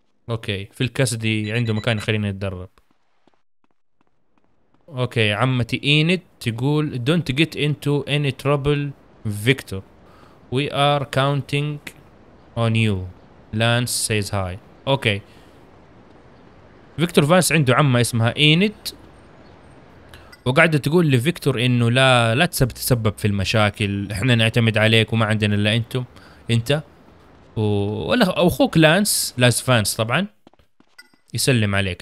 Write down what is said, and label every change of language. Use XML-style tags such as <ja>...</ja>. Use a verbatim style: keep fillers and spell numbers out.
<ar>اوكي في الكاسدي عنده مكان يخلينا نتدرب. اوكي عمتي ايند تقول</ar> <en>don't get into any trouble Victor we are counting on you Lance says hi.</en> <ar>اوكي فيكتور فانس عنده عمه اسمها ايند وقاعده تقول لفيكتور انه لا لا تسبب تسبب في المشاكل، احنا نعتمد عليك وما عندنا الا انتم انت ولا اخوك لانس لانس فانس طبعا يسلم عليك.</ar>